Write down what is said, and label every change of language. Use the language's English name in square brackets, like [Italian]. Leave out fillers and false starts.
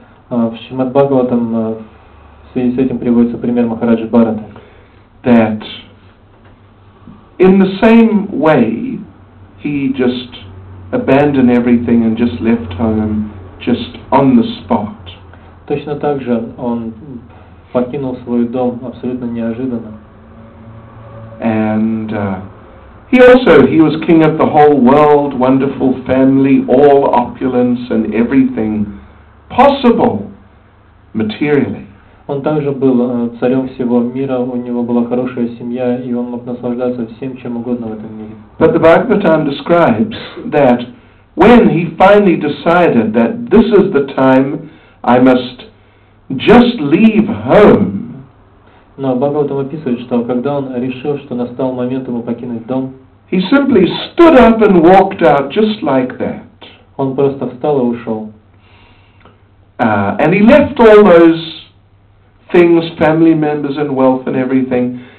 [Russian] В Шримад Бхагаватам в связи с этим приводится пример Махараджа Бхарата. [English] That in the same way, he just abandoned everything and just left home, just on the spot. [Russian] Точно так же он покинул свой дом абсолютно неожиданно. [English] And he was king of the whole world, wonderful family, all opulence and everything possible materially. [Russian] Он также был царем всего мира, у него была хорошая семья, и он мог наслаждаться всем, чем угодно в этом мире. [English] But the Bhagavatam describes that when he finally decided that this is the time I must just leave home. [Russian] Но Бхагаватам описывает, что когда он решил, что настал момент ему покинуть дом, [English] he simply stood up and walked out just like that. [Russian] Он просто встал и ушел. [English] And he left all those things, family members and wealth and everything.